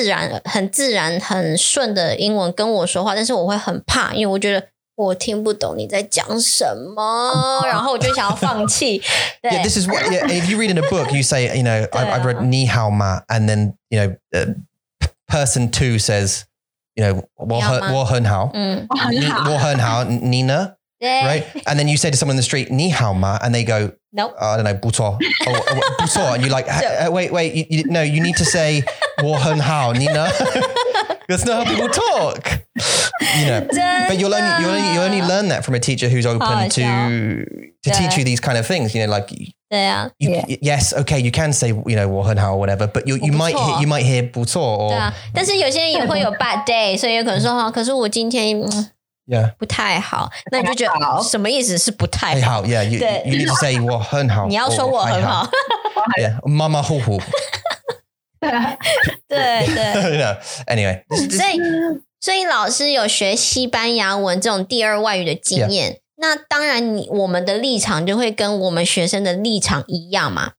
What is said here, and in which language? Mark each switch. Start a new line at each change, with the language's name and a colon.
Chinese: 所以他可能会用很自然、很顺的英文跟我说话， 但是我会很怕， 因为我觉得我听不懂你在讲什么， 然后我就想要放弃。
English: Yeah, this is what, if you read in a book, you say, you know, I've read
Chinese: 你好吗?
English: And then, you know, person two says, you know,
Chinese: 我很好。我很好,
English: Nina, right? And then you say to someone in the street,
Chinese: 你好吗?
English: And they go, nope. I don't know,
Chinese: 不错.
English: Oh, 不错. And you're like, wait, you need to say
Chinese: 我很好,
English: Nina. That's not how people talk. You know. But you only learn that from a teacher who's open to teach you these kind of things, you know, like yes, okay, you can say, you know,
Chinese: 我很好
English: or whatever, but you might hear
Chinese: 不错
English: or
Chinese: 但是有些人也会有
English: bad day,
Chinese: 所以有可能说可是我今天
English: Yeah.
Chinese: 不太好, 那你就觉得什么意思是不太好?
English: Yeah, you need to say
Chinese: 我很好, 你要说我很好。 Yeah, 妈妈呼呼。对对。
English: No, anyway.
Chinese: 所以老师有学西班牙文这种第二外语的经验, 那当然我们的立场就会跟我们学生的立场一样嘛。